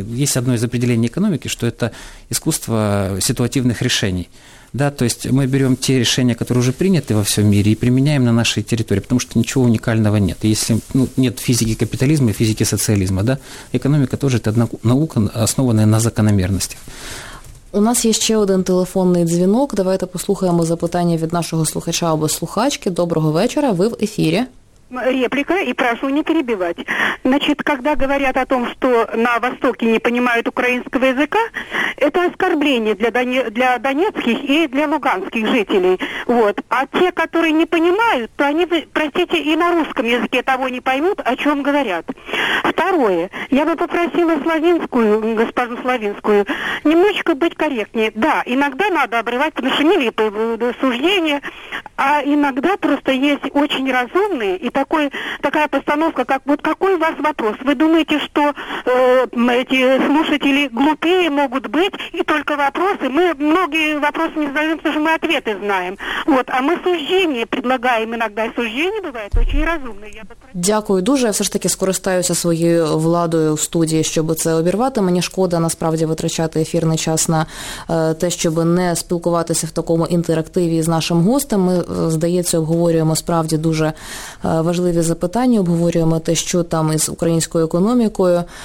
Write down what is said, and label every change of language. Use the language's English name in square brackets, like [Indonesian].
[Russian] Есть одно из определений экономики, что это искусство ситуативных решений. Да, то есть мы берем те решения, которые уже приняты во всем мире, и применяем на нашей территории, потому что ничего уникального нет. Если ну, нет физики капитализма и физики социализма, да, экономика тоже это наука, основанная на закономерностях. [Ukrainian] У нас є ще один телефонний дзвінок. Давайте послухаємо запитання від нашого слухача або слухачки. Доброго вечора, ви в ефірі. [Russian] Реплика, и прошу не перебивать. Значит, когда говорят о том, что на Востоке не понимают украинского языка, это оскорбление для донецких и для луганских жителей. Вот. А те, которые не понимают, то они, простите, и на русском языке того не поймут, о чем говорят. Второе. Я бы попросила Славинскую, госпожу Славинскую, немножечко быть корректнее. Да, иногда надо обрывать, потому что не липые суждения, а иногда просто есть очень разумные и такая постановка, как вот какой у вас вопрос? Вы думаете, что эти слушатели глупее могут быть, и только вопросы? Мы многие вопросы не задаем, потому что мы ответы знаем. Вот, а мы суждение предлагаем иногда, и суждение бывает очень разумное. [Ukrainian] Дякую дуже. Я все ж таки скористаюся своєю владою в студії, щоб це обірвати. Мені шкода насправді витрачати ефірний час на те, щоб не спілкуватися в такому інтерактиві з нашим гостем. Ми, здається, обговорюємо справді дуже важливі запитання, обговорюємо те, що там із українською економікою.